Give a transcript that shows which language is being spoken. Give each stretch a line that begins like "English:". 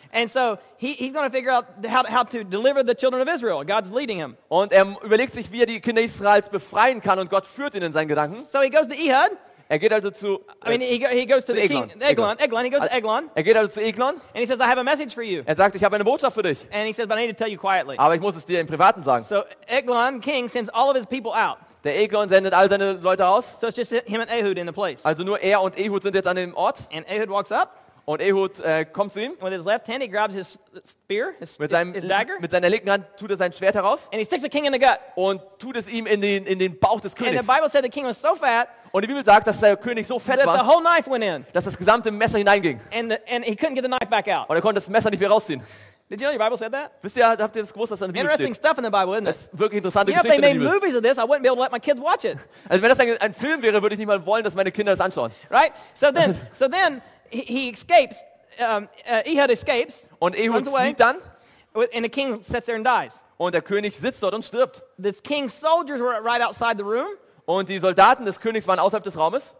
English: And so he's going to figure out how to deliver the children of Israel. God's leading him.
German: Und er überlegt sich, wie er die Kinder Israels befreien kann, und Gott führt ihn in seinen Gedanken.
English: So he goes to Ehud.
German: Er geht also zu.
English: He goes to Eglon.
German: Er geht also zu Eglon.
English: And he says, I have a message for you.
German: Er sagt, ich habe eine Botschaft für dich.
English: And he says, but I need to tell you quietly.
German: Aber ich muss es dir im Privaten sagen.
English: So Eglon, king, sends all of his people out.
German: Der Eglon sendet all seine Leute aus.
English: So it's just him and Ehud in the place.
German: Also nur er und Ehud sind jetzt an dem Ort.
English: And Ehud walks up.
German: Und Ehud kommt zu ihm.
English: With his left hand he grabs his spear, his dagger.
German: Mit seiner linken Hand tut er sein Schwert heraus.
English: And he sticks the king in the gut.
German: Und tut es ihm in den Bauch des Königs.
English: And the Bible said the king was so fat.
German: Und die Bibel sagt, dass der König so fett war,
English: the whole knife went in.
German: Dass das gesamte Messer hineinging.
English: And he couldn't get the knife back out.
German: Und er konnte das Messer nicht mehr rausziehen.
English: Did you know your Bible said that?
German: Wisst ihr, habt ihr das gewusst, dass das in der Bibel steht?
English: Interesting stuff in the Bible, isn't it?
German: Das ist wirklich interessante Geschichte in der Bibel.
English: If they made movies of this, I wouldn't be able to let my kids watch it.
German: Also wenn das ein Film wäre, würde ich nicht mal wollen, dass meine Kinder das anschauen.
English: Right? So then he escapes. Ehud escapes.
German: Und Ehud flieht dann.
English: And the king sits there and dies.
German: Und der König sitzt dort und stirbt.
English: The king's soldiers were right outside the room.
German: Und die Soldaten des Königs waren außerhalb des Raumes.